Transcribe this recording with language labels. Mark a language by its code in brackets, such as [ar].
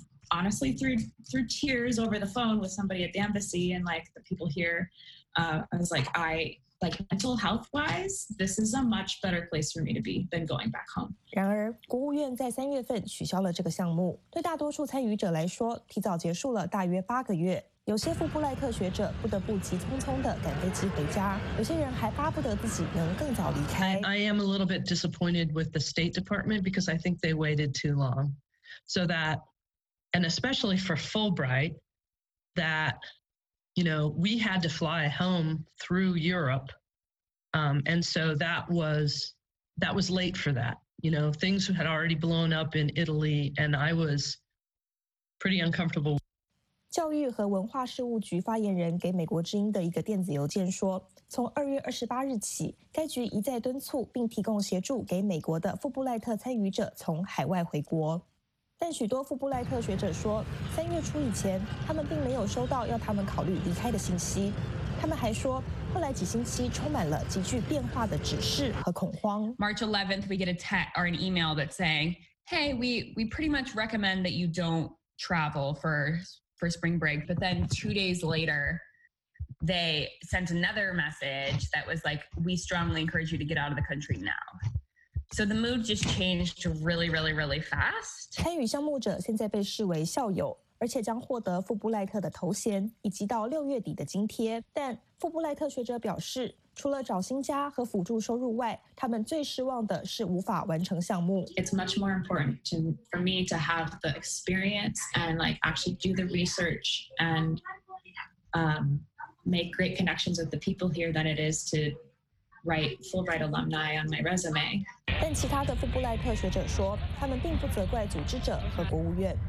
[en] Honestly, through tears over the phone with somebody at the embassy and like the people here, I was like, mental health wise, this is a much better place for me to be than going back home. [zh] 然而，国务院在三月份取消了这个项目，对大多数参与者来说，提早结束了大约八个月。有些富布赖特学者不得不急匆匆地赶飞机回家，有些人还巴不得自己能更早离开。 [en] I am a little bit disappointed with the State Department because I think they waited too long, so that. And especially for Fulbright, that, you know, we had to fly home through Europe. And so that was late for that. You know, things had already blown up in Italy, and I was pretty uncomfortable. [zh] 教育和文化事务局发言人给美国之音的一个电子邮件说，从2月28日起，该局一再敦促并提供协助给美国的富布赖特参与者从海外回国。但许多富布赖特学者说，三月初以前，他们并没有收到要他们考虑离开的信息。他们还说，后来几星期充满了急剧变化的指示和恐慌。 [en] March 11th, we get a text or an email that saying, "Hey, we pretty much recommend that you don't travel for spring break." But then 2 days later, they sent another message that was like, "We strongly encourage you to get out of the country now." So the mood just changed really, really, really fast. [zh] 参与项目者现在被视为校友，而且将获得富布赖特的头衔以及到六月底的津贴。但富布赖特学者表示，除了找新家和辅助收入外，他们最失望的是无法完成项目。 [en] It's much more important for me to have the experience and like actually do the research and make great connections with the people here than it is to write Fulbright alumni on my resume. [zh] 但其他的富布赖特学者说，他们并不责怪组织者和国务院。